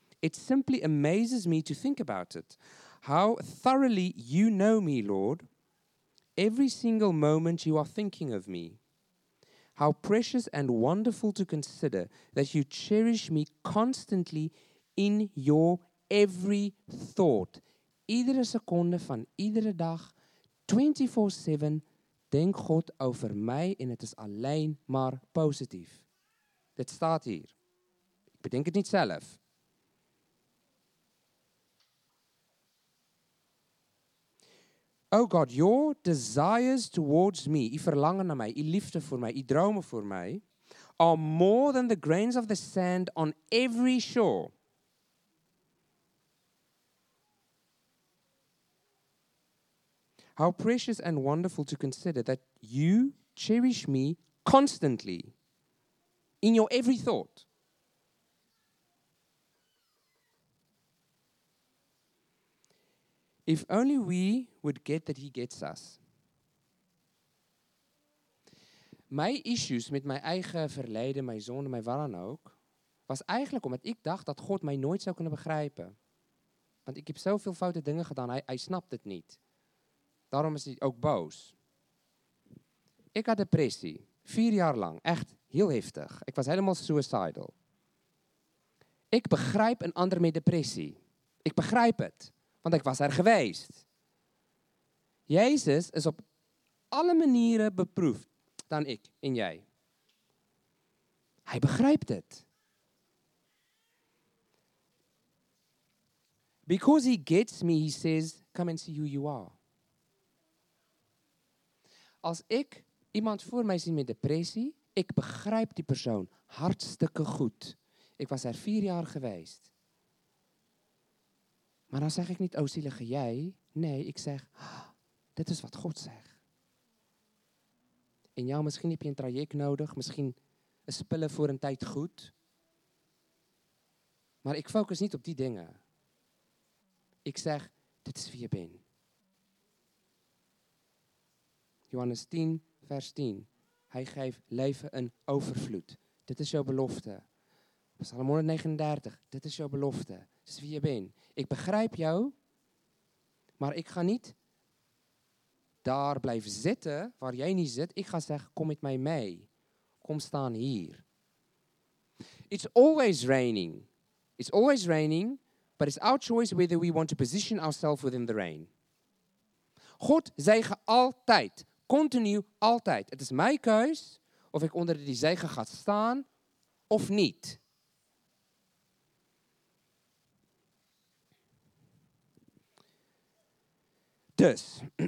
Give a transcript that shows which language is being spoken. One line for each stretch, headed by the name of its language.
English: It simply amazes me to think about it. How thoroughly you know me, Lord. Every single moment you are thinking of me. How precious and wonderful to consider that you cherish me constantly in your every thought.
Dutch: Iedere seconde van iedere dag, 24/7, denk God over mij en het is alleen maar positief. Dit staat hier. Ik bedenk het niet zelf.
English: Oh God, your desires towards me,
Dutch: je verlangen naar mij, je liefde voor mij,
English: je dromen voor mij, are more than the grains of the sand on every shore. How precious and wonderful to consider that you cherish me constantly in your every thought. If only we would get that he gets us. My issues
Dutch: met mijn eigen verleden, mijn zonde, mijn waar dan ook, was eigenlijk omdat ik dacht dat God mij nooit zou kunnen begrijpen. Want ik heb zoveel foute dingen gedaan, hij snapt het niet. Daarom is hij ook boos. Ik had depressie. 4 jaar lang. Echt heel heftig. Ik was helemaal suicidal. Ik begrijp een ander met depressie. Ik begrijp het. Want ik was er geweest. Jezus is op alle manieren beproefd dan ik en jij. Hij begrijpt het.
English: Because he gets me, he says, come and see who you are.
Dutch: Als ik iemand voor mij zie met depressie, ik begrijp die persoon hartstikke goed. Ik was er 4 jaar geweest. Maar dan zeg ik niet, o zielige jij. Nee, ik zeg, dit is wat God zegt. En jou, misschien heb je een traject nodig, misschien een spullen voor een tijd goed. Maar ik focus niet op die dingen. Ik zeg, dit is wie je bent. Johannes 10, vers 10. Hij geeft leven een overvloed. Dit is jouw belofte. Psalm 139, dit is jouw belofte. Dit is wie je bent. Ik begrijp jou, maar ik ga niet daar blijven zitten waar jij niet zit. Ik ga zeggen, kom met mij mee. Kom staan hier.
English: It's always raining. It's always raining, but it's our choice whether we want to position ourselves within the rain.
Dutch: God zegen altijd, continu, altijd. Het is mijn keus of ik onder die zegen ga staan of niet. Dus.